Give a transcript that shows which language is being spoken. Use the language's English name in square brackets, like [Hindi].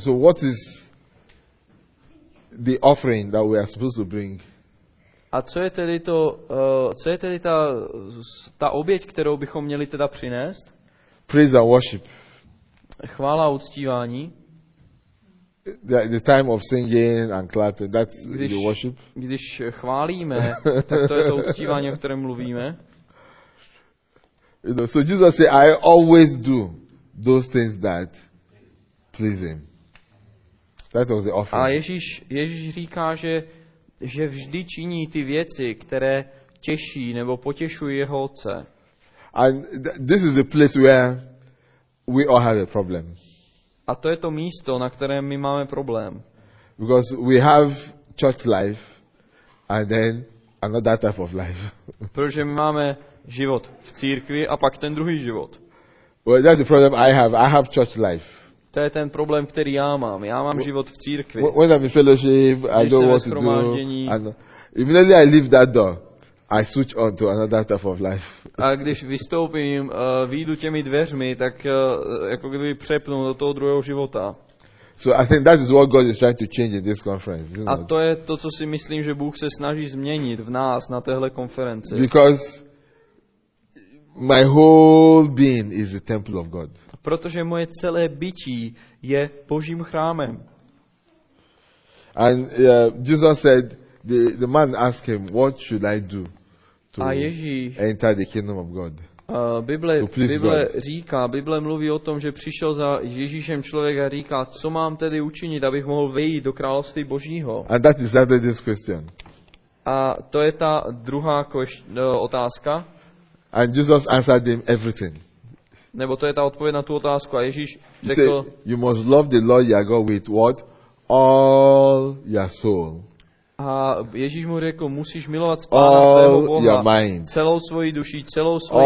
[English] So, what is the offering that we are supposed to bring? [Czech] A co je tedy to, co je tedy ta oběť, kterou bychom měli teda přinést? [English] Praise and worship. [Czech] Chvála a uctívání. [English] The time of singing and clapping, that's the worship. [Czech] Když chválíme, tak to je to uctívání, o kterém mluvíme. [English] You know, so Jesus said, I always do those things that please him. That was the offering. [Czech] A Ježíš říká, že vždy činí ty věci, které těší nebo potěšují jeho Otce. [English] And this is the place where we all have a problem. [Czech] A to je to místo, na kterém my máme problém. [English] Because we have church life and then another type of life. [Czech] Protože my máme život v církvi a pak ten druhý život. [English] Well, that's the problem I have. I have church life. [Czech] To je ten problém, který já mám. Já mám život v církvi. [English] When I'm in fellowship, I know what to do. Immediately I leave that door, I switch on to another type of life. [Czech] A když vystoupím, vyjdu těmi dveřmi, tak jako kdyby přepnu do toho druhého života. [English] So I think that is what God is trying to change in this conference. Isn't it? [Czech] A to je to, co si myslím, že Bůh se snaží změnit v nás na téhle konferenci. [English] Because my whole being is the temple of God. [Czech] Protože moje celé bytí je Božím chrámem. [English] And Jesus said, the man asked him, what should I do to enter the kingdom of God? [Czech] Bible říká, Bible mluví o tom, že přišel za Ježíšem člověk a říká, co mám tedy učinit, abych mohl vejít do království Božího? [English] And that is exactly this question. [Czech] A to je ta druhá otázka. [English] And Jesus answered him everything. [Czech] Nebo to je ta odpověď na tu otázku. A Ježíš řekl, [English] you say, you must love the Lord your God with what? All your soul. [Czech] A Ježíš mu řekl, musíš milovat Pána svého Boha celou svoji duši, celou svoji